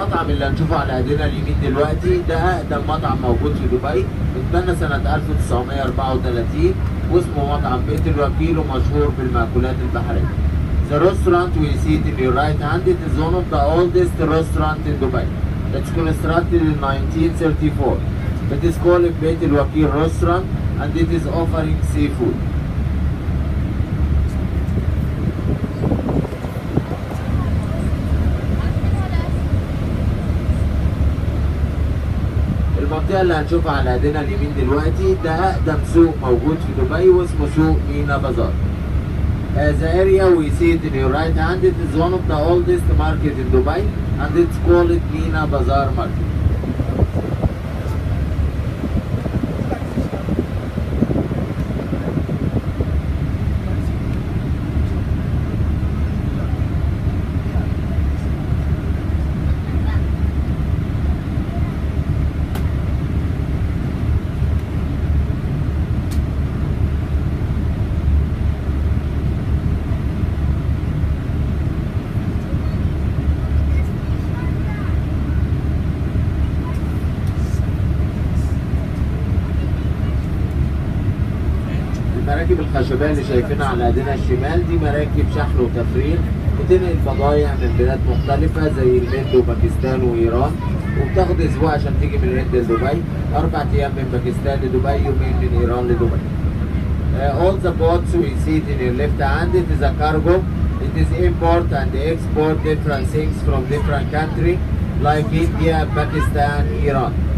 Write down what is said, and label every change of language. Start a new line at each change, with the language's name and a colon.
Arabic: اللي هنشوفه على ايدينا اليمين دلوقتي ده اقدم مطعم موجود في دبي اتبنى سنة 1934 واسمه مطعم بيتر وكيل ومشهور بالمأكولات البحرية.
English: The restaurant we see it in your right hand it is one of the oldest restaurant in Dubai. It's constructed in 1934. It is called بيتر وكيل restaurant and it is offering seafood.
Arabic: المنطقة اللي هنشوفها على ايدينا اليمين دلوقتي ده اقدم سوق موجود في دبي واسمه سوق مينا بازار.
English: The area we see it in your right hand it is one of the oldest market in Dubai and it's called Meena Bazaar market.
Arabic: المراكب الخشبية اللي شايفينها على ايدينا الشمال دي مراكب شحن وتفريغ بتنقل بضائع من بلاد مختلفة زي الهند وباكستان وايران وبتاخد اسبوع عشان تيجي من الهند لدبي 4 ايام من باكستان لدبي يومين من ايران لدبي.
English: All the boats we see it in your left hand it is a cargo it is import and export different things from different country like India, Pakistan, Iran.